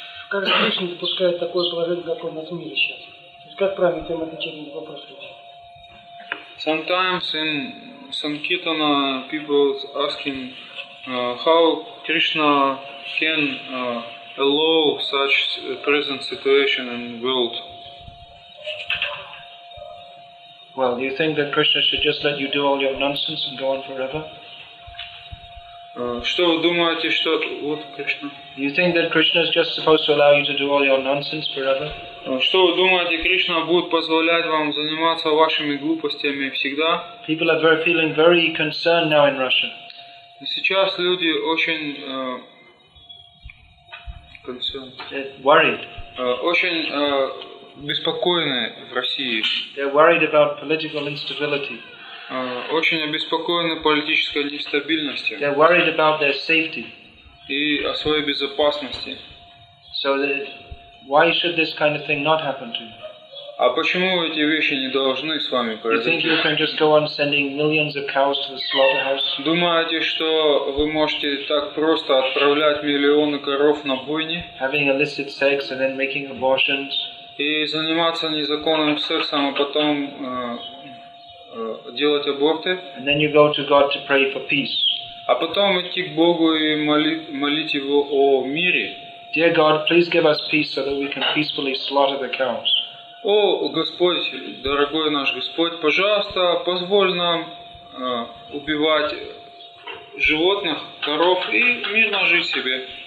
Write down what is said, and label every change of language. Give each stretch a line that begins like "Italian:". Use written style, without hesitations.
Russian: Как Кришна допускает такое положение, как у нас в мире сейчас? Как правильно тем отвечать на вопрос?
English: Sometimes in Sankirtana people asking how Krishna can allow such present situation in world. Well, do you think that Krishna should just let you do all your nonsense and go on forever?
Russian: Что вы думаете, что вот Кришна?
English: Do you think that Krishna is just supposed to allow you to do all your nonsense forever?
Russian: Что вы думаете, Кришна будет позволять вам заниматься вашими глупостями всегда?
English: People are very feeling very concerned now in Russia.
Russian: Сейчас люди очень
English: worried.
Russian: Очень беспокоены в России.
English: They're worried about political instability.
Russian: Очень обеспокоены политической нестабильностью.
English: They're worried about their safety.
Russian: И о своей безопасности.
English: So that why should this kind of thing not happen to you?
Russian: А почему эти вещи не должны с вами произойти?
English: You think you can just go on sending millions of cows to the slaughterhouse?
Russian: Думаете, что вы можете так просто отправлять миллионы коров на бойни?
English: Having illicit sex and then making abortions?
Russian: И заниматься незаконным сексом, а потом делать аборты?
English: And then you go to God to pray for peace.
Russian: А потом идти к Богу и молить Его о мире?
English: Dear God, please give us peace so that we can peacefully slaughter the cows.
Russian: О, Господь, дорогой наш Господь, пожалуйста, позволь нам убивать животных, коров и мирно жить себе.